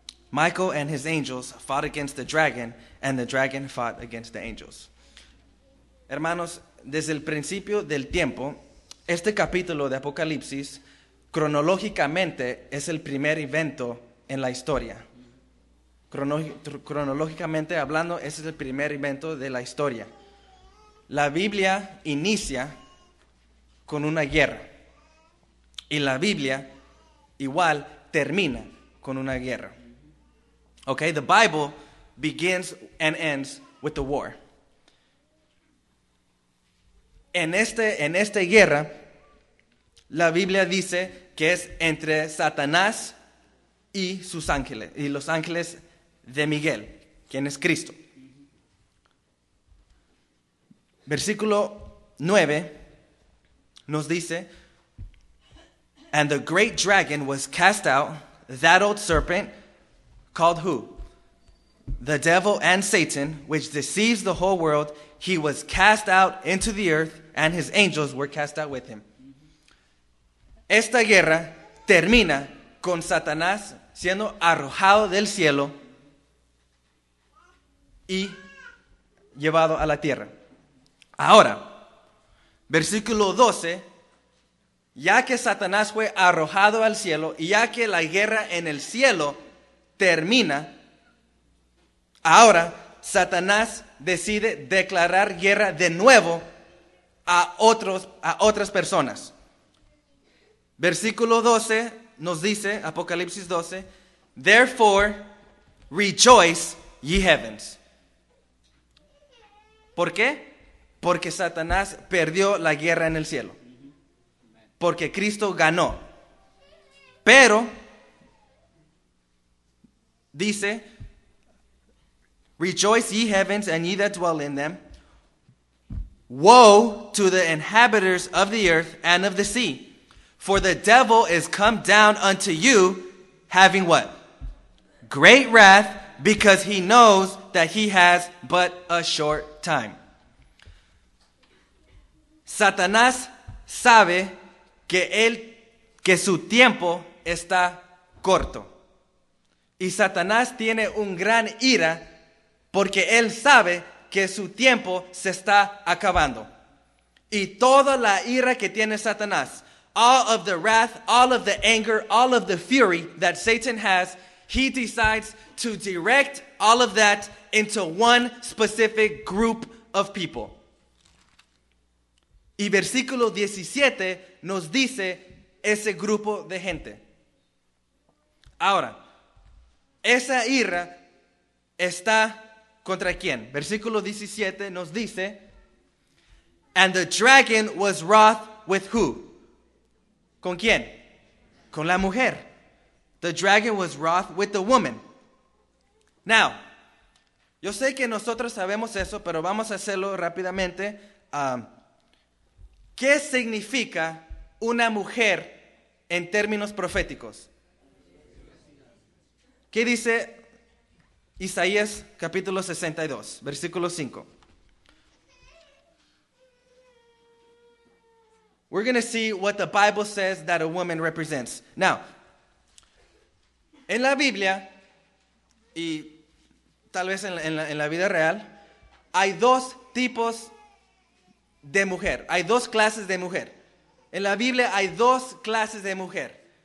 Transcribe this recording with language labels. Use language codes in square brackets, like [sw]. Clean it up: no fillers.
[en] Michael and his angels fought against the dragon, and the dragon fought against the angels." [es] Hermanos, desde el principio del tiempo, este capítulo de Apocalipsis, cronológicamente, es el primer evento en la historia. Cronológicamente hablando, ese es el primer evento de la historia. La Biblia inicia con una guerra. Y la Biblia igual termina con una guerra. [en] Okay, the Bible begins and ends with the war. [es] En esta guerra, la Biblia dice que es entre Satanás y sus ángeles, y los ángeles de Miguel, quien es Cristo. Versículo 9 nos dice, [en] "And the great dragon was cast out, that old serpent, called who? The devil and Satan, which deceives the whole world. He was cast out into the earth, and his angels were cast out with him." [es] Esta guerra termina con Satanás siendo arrojado del cielo y llevado a la tierra. Ahora, versículo 12, ya que Satanás fue arrojado al cielo y ya que la guerra en el cielo termina, ahora Satanás decide declarar guerra de nuevo a otras personas. Versículo 12 nos dice, Apocalipsis 12, [en] "Therefore rejoice, ye heavens." [es] ¿Por qué? Porque Satanás perdió la guerra en el cielo. Porque Cristo ganó. Pero, Dice, [en] "Rejoice ye heavens and ye that dwell in them. Woe to the inhabitants of the earth and of the sea. For the devil is come down unto you, having what? Great wrath, because he knows that he has but a short time." [es] Satanás sabe que él, que su tiempo está corto. Y Satanás tiene un gran ira porque él sabe que su tiempo se está acabando. Y toda la ira que tiene Satanás, [en] all of the wrath, all of the anger, all of the fury that Satan has, he decides to direct all of that into one specific group of people. [es] Y versículo 17 nos dice ese grupo de gente. Ahora, esa ira está contra quién? Versículo 17 nos dice, [en] "And the dragon was wroth with who?" [es] ¿Con quién? Con la mujer. [en] The dragon was wroth with the woman. [es] Now, yo sé que nosotros sabemos eso, pero vamos a hacerlo rápidamente. ¿Qué significa una mujer en términos proféticos? ¿Qué dice Isaías capítulo 62, versículo 5? [en] We're going to see what the Bible says that a woman represents. [es] Now, en la Biblia, y tal vez en la vida real, hay dos tipos de mujer. Hay dos clases de mujer. En la Biblia hay dos clases de mujer.